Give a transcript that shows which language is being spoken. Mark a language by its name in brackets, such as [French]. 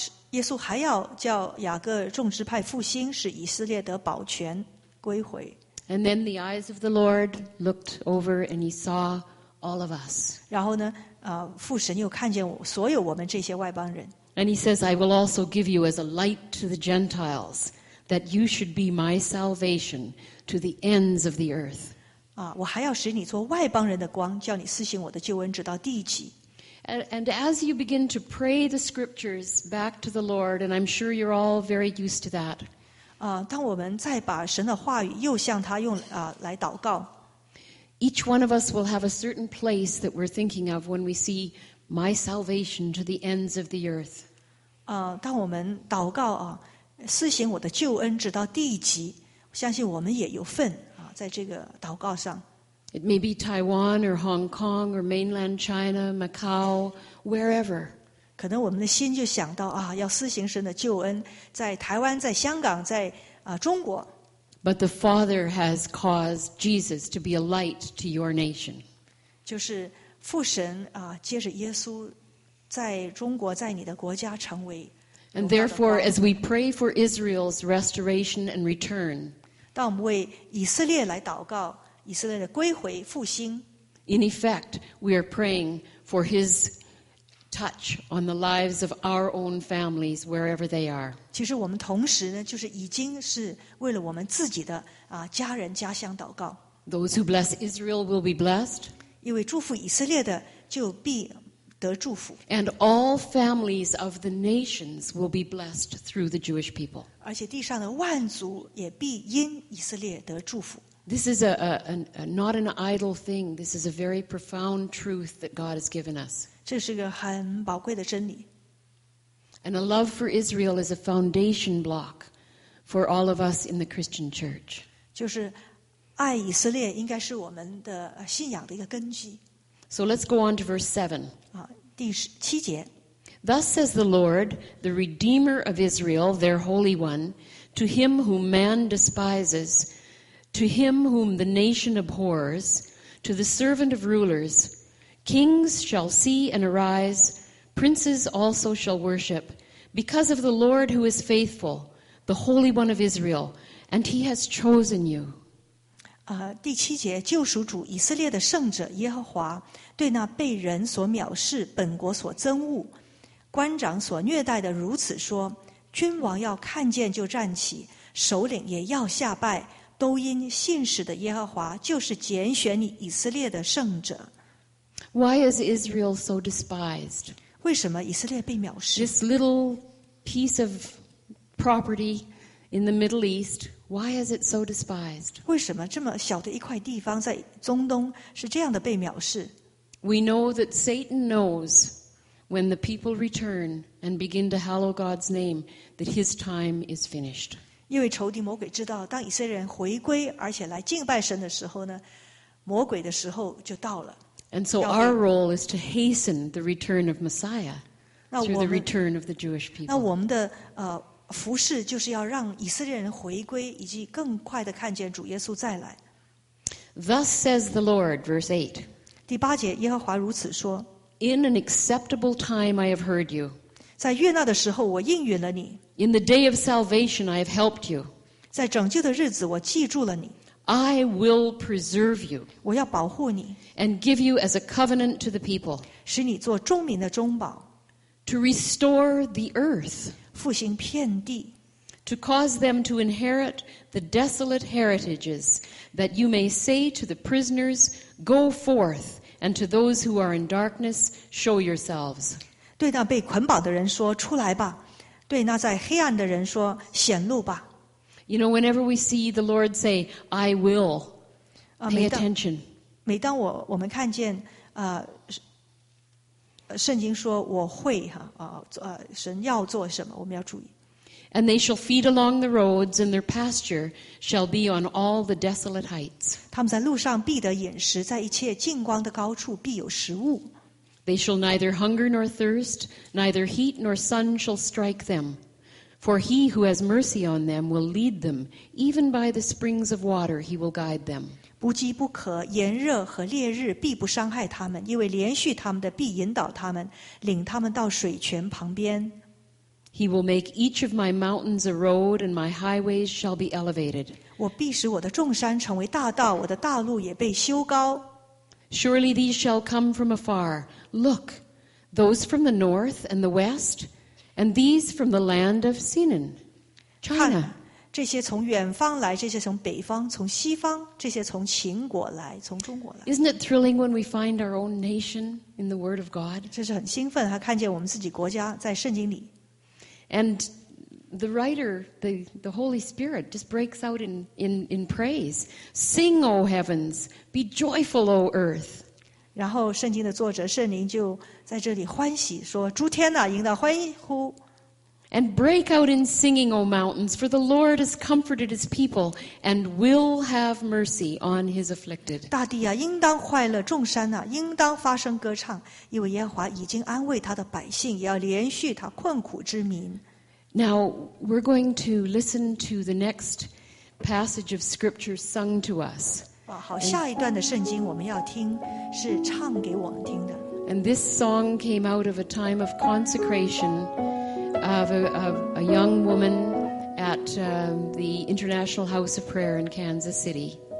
[Chinese] 耶稣还要叫雅各众支派复兴，使以色列得保全归回。 [English] And then the eyes of the Lord looked over and he saw all of us. [Chinese] 然后呢，父神又看见所有我们这些外邦人。 [English] And he says, I will also give you as a light to the Gentiles, that you should be my salvation to the ends of the earth. [Chinese] 我还要使你做外邦人的光，叫你施行我的救恩直到地极。 [English] And as you begin to pray the scriptures back to the Lord, and I'm sure you're all very used to that. [Chinese] 当我们再把神的话语又向他用来祷告。 [English] Each one of us will have a certain place that we're thinking of when we see My salvation to the ends of the earth. [Chinese] 当我们祷告啊，施行我的救恩直到地极，相信我们也有份啊，在这个祷告上。 [English] It may be Taiwan or Hong Kong or mainland China, Macau, wherever. [Chinese] 可能我们的心就想到啊，要施行神的救恩，在台湾，在香港，在中国。 [English] But the Father has caused Jesus to be a light to your nation. [Chinese] 就是。父神接着耶稣在中国在你的国家成为。 [English] And therefore, as we pray for Israel's restoration and return, [Chinese] 当我们为以色列来祷告，以色列的归回复兴。 [English] In effect, we are praying for his touch on the lives of our own families wherever they are. [Chinese] 其实我们同时呢，就是已经是为了我们自己的家人家乡祷告。 [English] Those who bless Israel will be blessed. [Chinese] 因为祝福以色列的就必得祝福。 [English] And all families of the nations will be blessed through the Jewish people. [Chinese] 而且地上的万族也必因以色列得祝福。 [English] This is not an idle thing. This is a very profound truth that God has given us. [Chinese] 这是个很宝贵的真理。 [English] And a love for Israel is a foundation block for all of us in the Christian church. [Chinese] 就是爱以色列应该是我们的信仰的一个根基。 [English] So let's go on to verse 7. [Chinese] 第七节。 [English] Thus says the Lord, the Redeemer of Israel, their Holy One, to him whom man despises, to him whom the nation abhors, to the servant of rulers, kings shall see and arise, princes also shall worship, because of the Lord who is faithful, the Holy One of Israel, and he has chosen you. [Chinese] 第七节，救赎主以色列的圣者耶和华，对那被人所藐视、本国所憎恶、官长所虐待的如此说：君王要看见就站起，首领也要下拜，都因信使的耶和华就是拣选你以色列的圣者。 [English] Why is Israel so despised? [Chinese] 为什么以色列被藐视 [English] ？This little piece of property in the Middle East. Why is it so despised? [Chinese] 为什么这么小的一块地方在中东是这样的被藐视 [English] ？We know that Satan knows when the people return and begin to hallow God's name that his time is finished. [Chinese] 因为仇敌魔鬼知道，当以色列人回归而且来敬拜神的时候呢，魔鬼的时候就到了。 [English] And so our role is to hasten the return of Messiah through the return of the Jewish people. [Chinese] 那我们的服侍就是要让以色列人回归，以及更快地看见主耶稣再来。 [English] Thus says the Lord, verse 8. [Chinese] 第八节，耶和华如此说。 [English] In an acceptable time I have heard you. [Chinese] 在悦纳的时候我应允了你。 [English] In the day of salvation I have helped you. [Chinese] 在拯救的日子我记住了你。 [English] I will preserve you. [Chinese] 我要保护你。 [English] And give you as a covenant to the people. [Chinese] 使你做众民的中保。 [English] To restore the earth. [Chinese] 复兴遍地 [English] to cause them to inherit the desolate heritages, that you may say to the prisoners, "Go forth," and to those who are in darkness, "Show yourselves." [Chinese] 对那被捆绑的人说，出来吧；对那在黑暗的人说，显露吧。 [English] You know, whenever we see the Lord say, I will, pay attention. [Chinese] 每当我们看见圣经说我会神要做什么，我们要注意。 [English] And they shall feed along the roads, and their pasture shall be on all the desolate heights. [Chinese] 他们在路上必得饮食，在一切近光的高处必有食物。 [English] They shall neither hunger nor thirst, neither heat nor sun shall strike them. For he who has mercy on them will lead them, even by the springs of water he will guide them. [Chinese] 不饥不渴，炎热和烈日必不伤害他们，因为连续他们的必引导他们，领他们到水泉旁边。 [English] He will make each of my mountains a road, and my highways shall be elevated. [Chinese] 我必使我的众山成为大道，我的大路也被修高。 [English] Surely these shall come from afar. Look, those from the north and the west, and these from the land of Sinan, China. [Chinese] 这些从远方来，这些从北方，从西方，这些从秦国来，从中国来。 [English] Isn't it thrilling when we find our own nation in the Word of God? [Chinese] 这是很兴奋，还看见我们自己国家在圣经里。 [English] And the writer, the Holy Spirit, just breaks out in praise. Sing, O heavens! Be joyful, O earth! [Chinese] 然后圣经的作者圣灵就在这里欢喜说：“诸天哪，应当欢呼！” [English] And break out in singing, O mountains! For the Lord has comforted His people and will have mercy on His afflicted. [Chinese] 大地啊，应当快乐；众山啊，应当发声歌唱，因为耶和华已经安慰他的百姓，也要连续他困苦之民。 [English] Now, we're going to listen to the next passage of Scripture sung to us. [Chinese] 好，下一段的圣经我们要听，是唱给我们听的。 [English] And this song came out of a time of consecration of a young woman at the International House of Prayer in Kansas City.